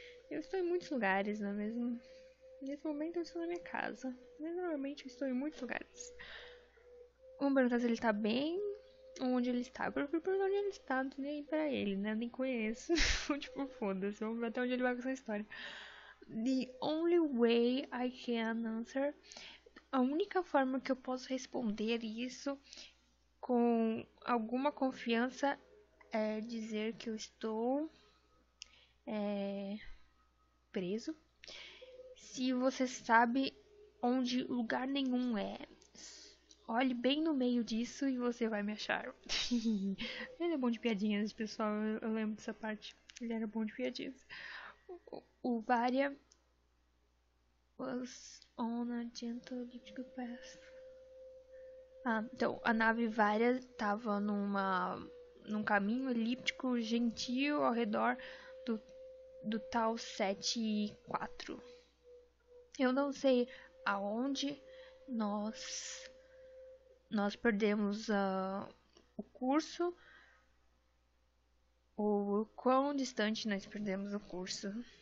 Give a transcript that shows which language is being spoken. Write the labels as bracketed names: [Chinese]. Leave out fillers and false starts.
[Portuguese] Eu estou em muitos lugares, não é mesmo? Nesse momento eu estou na minha casa. Mas normalmente eu estou em muitos lugares. Vamos perguntar se ele está bem. Onde ele está? Eu prefiro perguntar onde ele está, não tô nem aí pra ele, né? Eu nem conheço. Tipo, foda-se. Vamos ver até onde ele vai com essa história. [English] The only way I can answer. [Portuguese] A única forma que eu posso responder isso com alguma confiança é dizer que eu estou preso. Se você sabe onde lugar nenhum é. Olhe bem no meio disso e você vai me achar. Ele é bom de piadinhas, pessoal. Eu lembro dessa parte. Ele era bom de piadinhas. [English] O Varia was on a gentle little path. [Portuguese] Ah, então, a nave Varia estava num caminho elíptico gentil ao redor do tal 7-4. Eu não sei aonde nós perdemos o curso, ou o quão distante nós perdemos o curso.